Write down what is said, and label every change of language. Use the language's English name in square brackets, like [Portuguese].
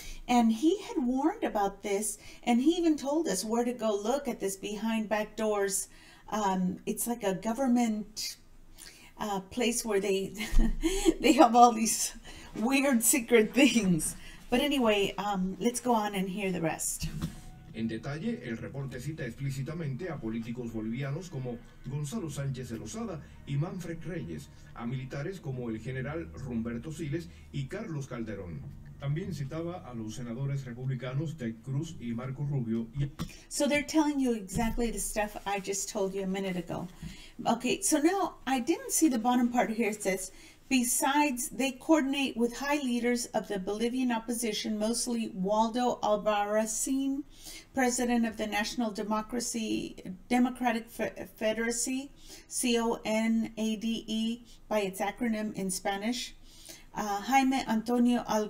[English] And he had warned about this, and he even told us where to go look at this behind back doors. It's like a government place where they they have all these weird secret things. But anyway, let's go on and hear the rest. [Spanish] En detalle, el reporte cita explícitamente a políticos bolivianos como Gonzalo Sánchez de Lozada y Manfred Reyes, a militares como el general Rumberto Siles y Carlos Calderón. También citaba a los senadores republicanos Ted Cruz y Marco Rubio. Y... [English] So they're telling you exactly the stuff I just told you a minute ago. Okay, so now I didn't see the bottom part here. It says, besides, they coordinate with high leaders of the Bolivian opposition, mostly Waldo Albarracin, president of the National Democratic Federacy, CONADE by its acronym in Spanish, Jaime Antonio